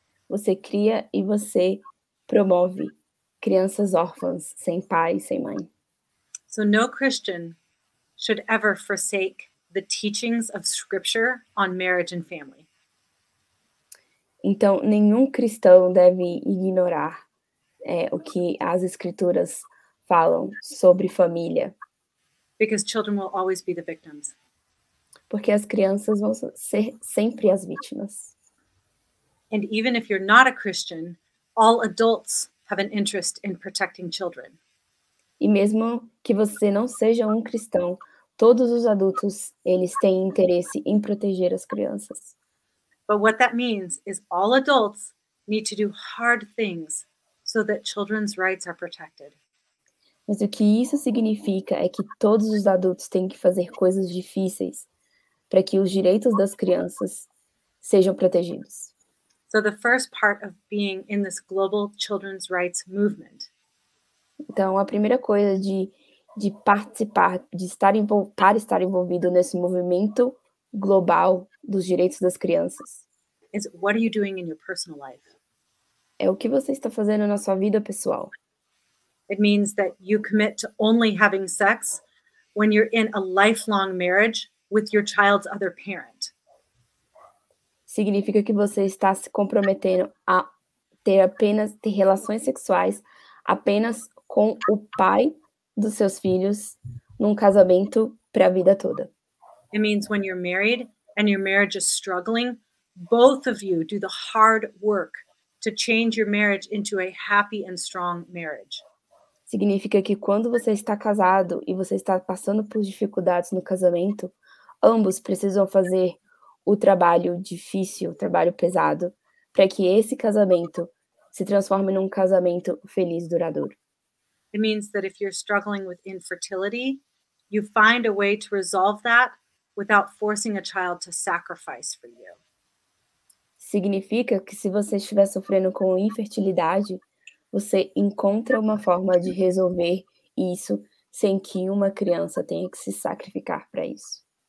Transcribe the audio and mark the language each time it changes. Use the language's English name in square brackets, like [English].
[Portuguese] Você cria e você promove crianças órfãs sem pai e sem mãe. [English] So no Christian should ever forsake the teachings of scripture on marriage and family. [Portuguese] Então, nenhum cristão deve ignorar o que as escrituras falam sobre família. [English] Because children will always be the victims. [Portuguese] Porque as crianças vão ser sempre as vítimas. [English] And even if you're not a Christian, all adults have an interest in protecting children. [Portuguese] E mesmo que você não seja um cristão, todos os adultos, eles têm interesse em proteger as crianças. [English] But what that means is all adults need to do hard things so that children's rights are protected. [Portuguese] Mas o que isso significa é que todos os adultos têm que fazer coisas difíceis para que os direitos das crianças sejam protegidos. [English] So the first part of being in this global children's rights movement. [Portuguese] Então, a primeira coisa de participar, de estar envolvido nesse movimento global dos direitos das crianças. [English] Is what are you doing in your personal life? [Portuguese] É o que você está fazendo na sua vida pessoal. [English] It means that you commit to only having sex when you're in a lifelong marriage with your child's other parent. [Portuguese] Significa que você está se comprometendo a ter apenas ter relações sexuais apenas com o pai dos seus filhos num casamento para a vida toda. [English] It means when you're married and your marriage is struggling, both of you do the hard work to change your marriage into a happy and strong marriage. [Portuguese] Significa que quando você está casado e você está passando por dificuldades no casamento, ambos precisam fazer o trabalho difícil, o trabalho pesado, para que esse casamento se transforme num casamento feliz e duradouro. [English] It means that if you're struggling with infertility, you find a way to resolve that without forcing a child to sacrifice for you. [Portuguese] Significa que se você estiver sofrendo com infertilidade, você encontra uma forma de resolver isso sem que uma criança tenha que se sacrificar para isso.